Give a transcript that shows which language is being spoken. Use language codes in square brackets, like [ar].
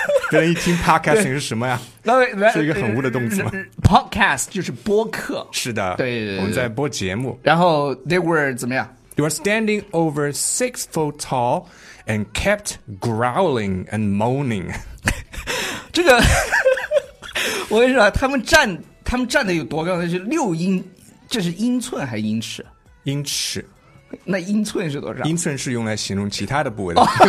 [zh] 别人一听 podcasting 是什么呀？是一个很污的动词吗？ Podcast 就是播客，是的，对，我们在播节目。然后 they were 怎么样？ [en] They were standing over 6 foot tall and kept growling and moaning. [zh] 这个我跟你说，他们站的有多高，那是6英，这是英寸还是英尺？英尺。那英寸是多少？英寸是用来形容其他的部位的。